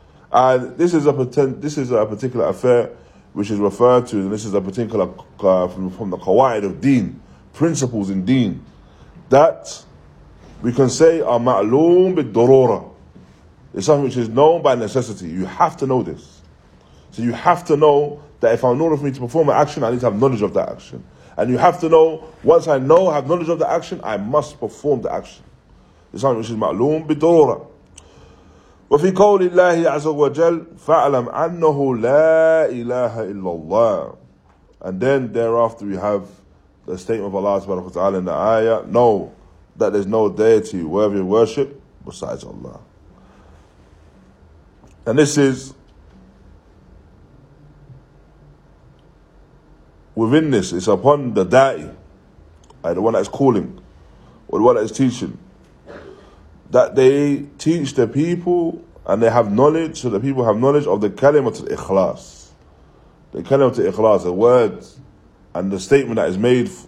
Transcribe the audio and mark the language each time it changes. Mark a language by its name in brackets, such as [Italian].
[English] And this is a particular affair which is referred to, and this is a particular from the qawaid of deen, principles in deen, that we can say are ma'loom bid-durura. It's something which is known by necessity. You have to know this. So you have to know that if I'm in order for me to perform an action, I need to have knowledge of that action. And you have to know, once I know, have knowledge of the action, I must perform the action. It's something which is ma'loom bid-durura. [Arabic] وفي قول الله عز وجل فاعلم أنه لا إله إلا الله. [English] And then thereafter we have the statement of Allah subhanahu wa ta'ala in the ayah, know that there's no deity worthy of worship besides Allah. And this is within this, it's upon the da'i, the one that is calling, or the one that is teaching, that they teach the people and they have knowledge, so the people have knowledge of the kalimat al-ikhlas. The kalimat al-ikhlas, the words and the statement that is made